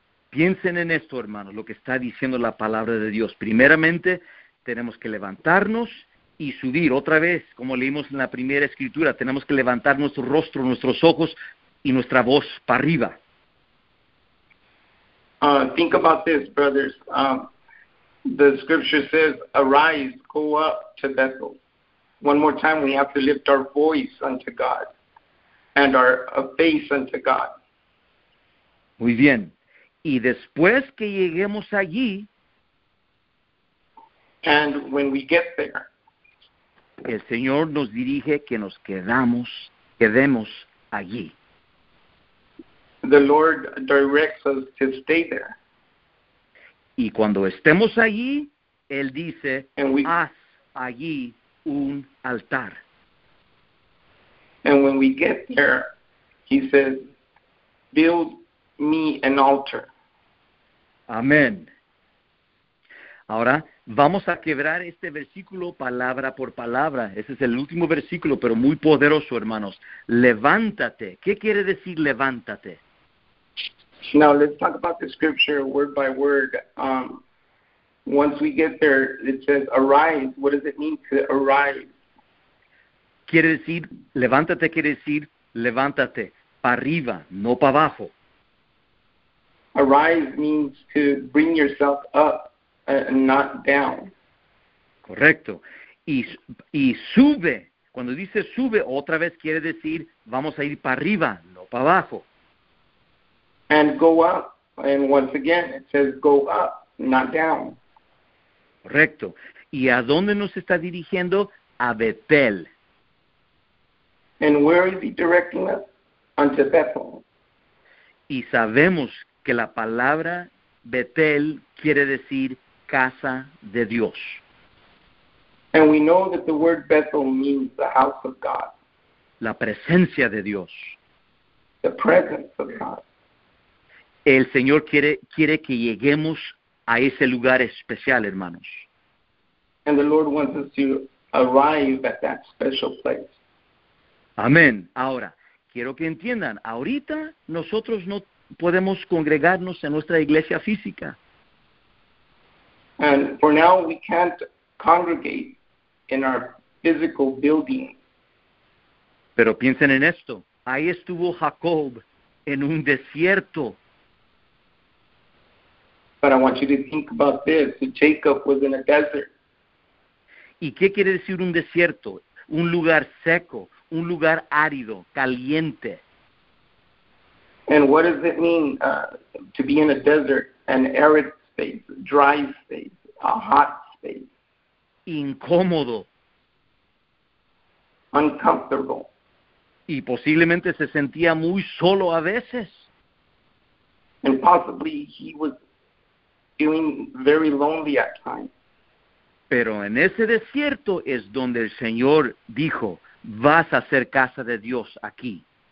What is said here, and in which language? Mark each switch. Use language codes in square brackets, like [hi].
[es] Piensen en esto, hermanos, lo que está diciendo la palabra de Dios. Primeramente, tenemos que levantarnos y subir. Otra vez, como leímos en la primera escritura, tenemos que levantar nuestro rostro, nuestros ojos y nuestra voz para arriba. [en] Think about this, brothers. The scripture says, arise, go up to Bethel. One more time, we have to lift our voice unto God and our face unto God. [es] Muy bien. Y después que lleguemos allí, [en] and when we get there, [es] el Señor nos dirige que nos quedemos allí. [en] The Lord directs us to stay there. [es] Y cuando estemos allí, Él dice, haz allí un altar. [en] And when we get there, He says, build me an altar. [es] Amén. Ahora, vamos a quebrar este versículo palabra por palabra. Ese es el último versículo, pero muy poderoso, hermanos. Levántate. ¿Qué quiere decir levántate? [en] Now, let's talk about the scripture word by word. Once we get there, it says arise. What does it mean to arise? [es] Quiere decir, levántate quiere decir, levántate. Para arriba, no para abajo. [en] Arise means to bring yourself up and not down. [es] Correcto. Y sube. Cuando dice sube, otra vez quiere decir vamos a ir para arriba, no para abajo. [en] And go up. And once again, it says go up, not down. [es] Correcto. ¿Y a dónde nos está dirigiendo? A Betel. [en] And where is he directing us? Unto Bethel. [es] Y sabemos que la palabra Betel quiere decir casa de Dios. [en] And we know that the word Bethel means the house of God. [es] La presencia de Dios. [en] The presence of God. [es] El Señor quiere que lleguemos a ese lugar especial, hermanos. [en] And the Lord wants us to arrive at that special place. [es] Amén. Ahora, quiero que entiendan, ahorita nosotros no podemos congregarnos en nuestra iglesia física. [en] And for now we can't congregate in our physical building. [es] Pero piensen en esto, ahí estuvo Jacob en un desierto. [en] But I want you to think about this, Jacob was in a desert. [es] ¿Y qué quiere decir un desierto? Un lugar seco, un lugar árido, caliente. [en] And what does it mean to be in a desert, an arid space, dry space, a hot space? [es] Incómodo. [en] Uncomfortable. [es] Y posiblemente se sentía muy solo a veces. [en] And possibly he was feeling very lonely at times. [es] Pero en ese desierto es donde el Señor dijo, vas a ser casa de Dios aquí.